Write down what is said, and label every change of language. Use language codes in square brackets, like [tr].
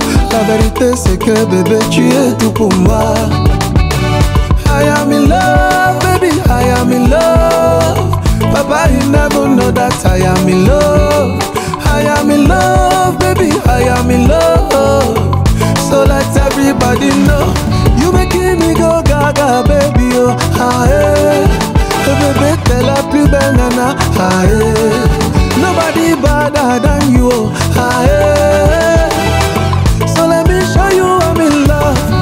[fr] La vérité, c'est que bébé, tu es tout pour moi. [en] I am in love, baby, I am in love. Papa, you never know that I am in love. I am in love, baby, I am in love. So let everybody know. You making me go gaga, baby, oh, ah, eh. [fr] Bébé, t'es la plus belle nana, ah, eh. [en] Nobody better than you, oh, ah, eh. So let me show you I'm in love.